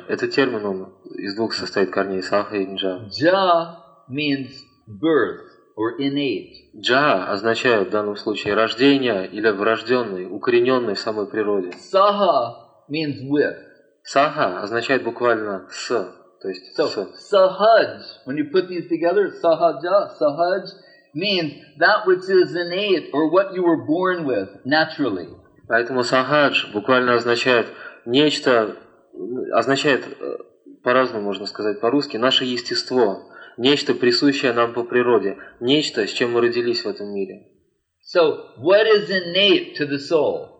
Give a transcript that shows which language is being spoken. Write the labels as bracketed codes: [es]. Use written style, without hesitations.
[ru] Это термин, он из двух состоит корней. Саха и джа. [en] Джа means birth or innate. [ru] Джа означает в данном случае рождение или врожденный, укорененный в самой природе. [en] Саха means with. [ru] Саха означает буквально с. То есть [en] so, [ru] с. Сахадж. [en] When you put these together, сахаджа, сахадж means that which is innate or what you were born with naturally. [ru] Поэтому сахадж буквально означает нечто, означает, по-разному можно сказать по-русски, наше естество, нечто, присущее нам по природе, нечто, с чем мы родились в этом мире. [en] So, what is innate to the soul?